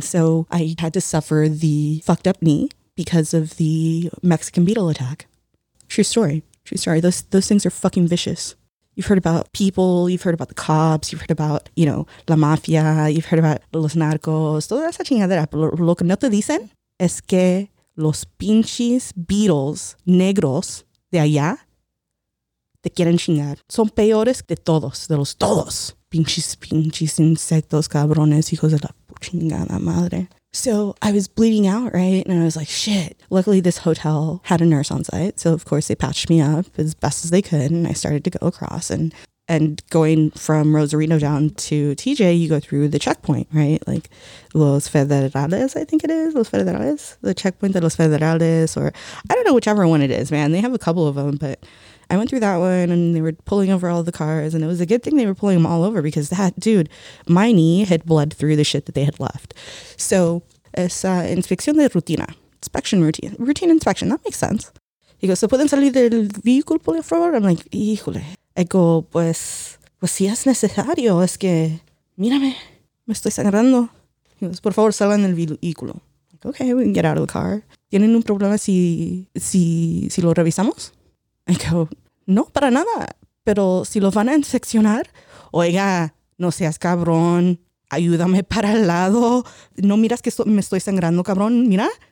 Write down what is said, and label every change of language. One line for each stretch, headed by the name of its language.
English: So I had to suffer the fucked up knee because of the Mexican beetle attack. True story. True story. Those things are fucking vicious. You've heard about people, you've heard about the cops, you've heard about, you know, la mafia, you've heard about los narcos,
Spanish: toda esa chingadera. Pero lo que no te dicen es que los pinches beetles negros de allá te quieren chingar. Son peores de todos, de los todos. Pinches insectos, cabrones, hijos de la chingada madre.
English: So I was bleeding out, right? And I was like, shit. Luckily, this hotel had a nurse on site. So, of course, they patched me up as best as they could. And I started to go across. And going from Rosarito down to TJ, you go through the checkpoint, right? Like Los Federales, I think it is. Los Federales. The checkpoint de Los Federales. Or I don't know whichever one it is, man. They have a couple of them. But I went through that one. And they were pulling over all the cars. And it was a good thing they were pulling them all over. Because that, dude, my knee had bled through the shit that they had left. So it's
Spanish: inspección de rutina.
English: Inspection routine. Routine inspection. That makes sense. He goes, so
Spanish: pueden salir del vehículo, por favor?
English: I'm like,
Spanish: híjole.
English: I go,
Spanish: pues si es necesario, es que, mírame, me estoy sangrando.
English: He goes,
Spanish: por favor, salgan del vehículo.
English: Like, okay, we can get out of the car.
Spanish: ¿Tienen un problema si lo revisamos?
English: I go,
Spanish: no, para nada. Pero si lo van a inspeccionar, oiga, no seas cabrón. Ayúdame para el lado. No miras que me estoy sangrando, cabrón. Mira.